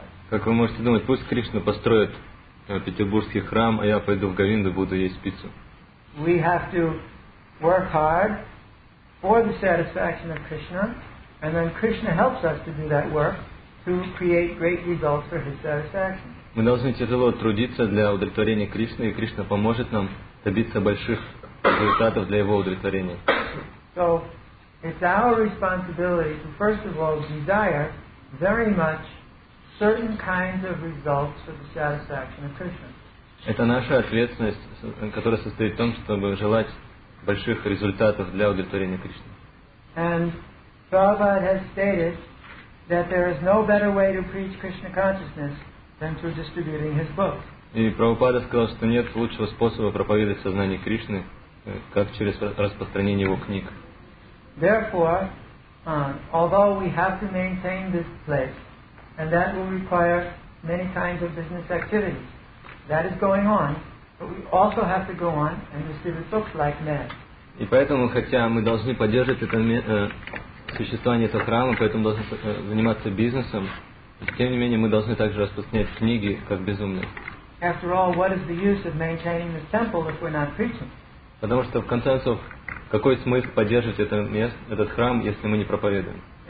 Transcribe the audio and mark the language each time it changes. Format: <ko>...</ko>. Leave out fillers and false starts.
<ru>Как вы можете думать, пусть Кришна построит петербургский храм, а я пойду в Говинду, буду есть пиццу.</ru> <en>We have to work hard for the satisfaction of Krishna, and then Krishna helps us to do that work to create great results for His satisfaction.</en> <ru>Мы должны тяжело трудиться для удовлетворения Кришны, и Кришна поможет нам добиться больших результатов для Его удовлетворения.</ru> <en>So it's our responsibility to first of all desire very much certain kinds of results for the satisfaction of Krishna.</en> <ru>Это наша ответственность, которая состоит в том, чтобы желать больших результатов для удовлетворения Кришны.</ru> <en>And Prabhupada has stated that there is no better way to preach Krishna consciousness than through distributing His books.</en> <ru>И Прабхупада сказал, что нет лучшего способа проповедовать сознание Кришны, как через распространение Его книг.</ru> <en>Therefore, although we have to maintain this place, and that will require many kinds of business activities, that is going on, but we also have to go on and distribute books like men.</en> <ru>И поэтому, хотя мы должны поддерживать это существование этого храма, поэтому должны заниматься бизнесом, тем не менее мы должны также распространять книги как безумные.</ru> <en>After all, what is the use of maintaining this temple if we're not preaching?</en> <ru>Потому что в конце концов, какой смысл поддерживать это место, этот храм, если мы не проповедуем?</ru>